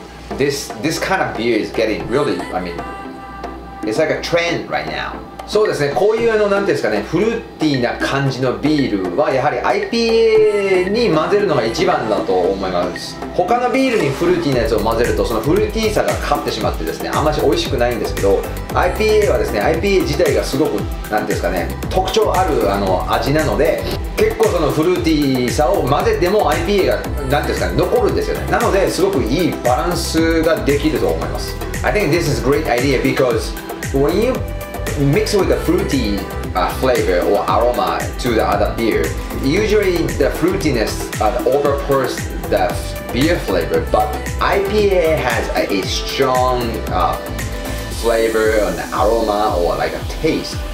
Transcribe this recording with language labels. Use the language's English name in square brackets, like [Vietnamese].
[English] This kind of beer is getting really, I mean, it's like a trend right now. [Japanese] そうですね、こういうあのなんていうんですかね、フルーティーな感じのビールはやはり IPA に混ぜるのが一番だと思います。他のビールにフルーティーなやつを混ぜるとそのフルーティーさが勝ってしまってですね、あんまり美味しくないんですけど、 IPA はですね、 IPA 自体がすごくなんていうんですかね、特徴あるあの味なので、結構そのフルーティーさを混ぜても IPA がなんていうんですかね、残るんですよね。なのですごくいいバランスができると思います。 [English] I think this is a great idea because when youMix with the fruity、flavor or aroma to the other beer. Usually the fruitiness、overpowers the beer flavor, but IPA has a strong、flavor and aroma or like a taste.